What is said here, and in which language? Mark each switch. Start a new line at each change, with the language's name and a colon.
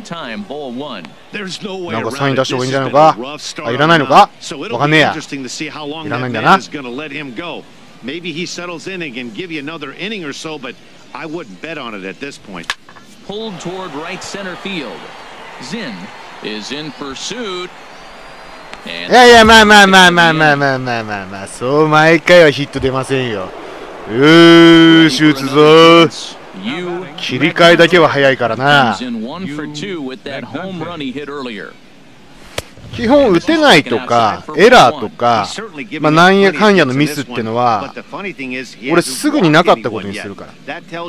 Japanese: なんかサイン出した方がいいんじゃないのか。あ、いらないのか、わかんねえや。いらないんだな。
English: Maybe he settles in and can give you another inning or so, but I wouldn't bet on it at this point. Pulled toward right center field. Zinn is in pursuit.
Japanese: いやいや、まあまあまあまあまあまあまあまあまあ、そう毎回はヒット出ませんよ。よーし、打つぞ。切り替えだけは早いからな。基本打てないとかエラーとか、まあ、なんやかんやのミスってのは俺すぐになかったことにするから。